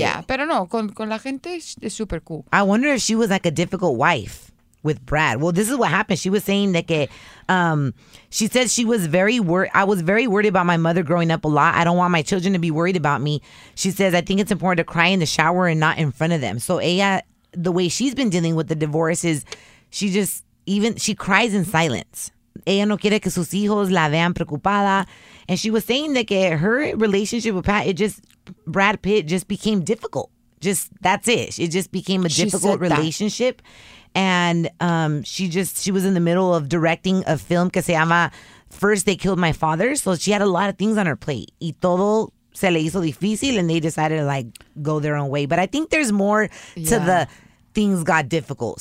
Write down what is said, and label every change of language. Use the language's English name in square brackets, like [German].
[Spanish] Yeah, pero no, con la gente es super cool. [English] I wonder if she was like a difficult wife with Brad. Well, this is what happened. She was saying that she said she was very worried. I was very worried about my mother growing up a lot. I don't want my children to be worried about me. She says, I think it's important to cry in the shower and not in front of them. So, the way she's been dealing with the divorce is she cries in silence. [Spanish] ella no quiere que sus hijos la vean preocupada. [English] And she was saying that her relationship with Brad Pitt just became difficult. Just, that's it. It just became a difficult relationship. And she was in the middle of directing a film [Spanish] que se llama [English] First They Killed My Father. So she had a lot of things on her plate. [Spanish] Y todo se le hizo difícil, [English] and they decided to like go their own way. But I think there's more to the things got difficult.